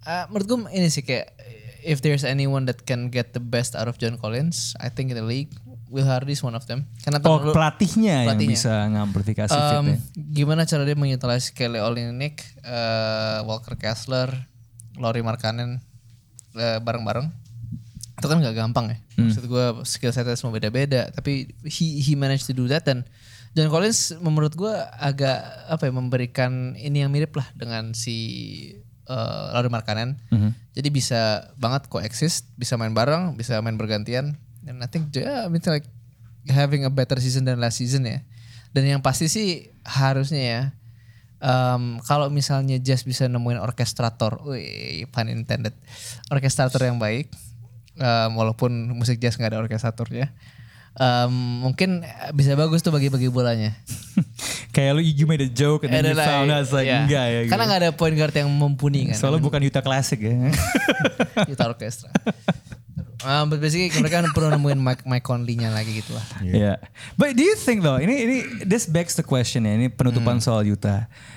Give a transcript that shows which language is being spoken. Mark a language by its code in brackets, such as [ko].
[id] Menurut gue ini sih kayak [en] if there's anyone that can get the best out of John Collins, I think in the league, Will Hardy is one of them. [id] Karena pelatihnya yang bisa ngamplifikasi fitnya. Gimana cara dia mengutilize Kelly Olynyk, Walker Kessler, Lauri Markkanen, bareng-bareng. Itu kan gak gampang ya. Maksud gue skill setnya semua beda-beda. Tapi [en] he managed to do that. [id] Dan John Collins menurut gue agak apa ya, memberikan ini yang mirip lah dengan si Lauri Markkanen. Jadi bisa banget coexist, bisa main bareng, bisa main bergantian. [en] And I think, yeah, I mean like having a better season than last season ya. [id] Dan yang pasti sih harusnya ya, kalau misalnya Jazz bisa nemuin orkestrator, pun intended, orkestrator yang baik, walaupun musik Jazz gak ada orkestratornya, mungkin bisa bagus tuh bagi-bagi bolanya. Kayak lu, [en] you made a joke and then you found out, like, yeah. [id] Enggak ya. Karena gitu. Gak ada point guard yang mumpuni kan. Soalnya bukan Utah Classic ya. Utah Orchestra. [en] But basically [id] mereka perlu nemuin Mike Conley-nya lagi gitu lah. [en] Yeah. But do you think though, ini this begs the question ya, [id] ini penutupan soal Utah.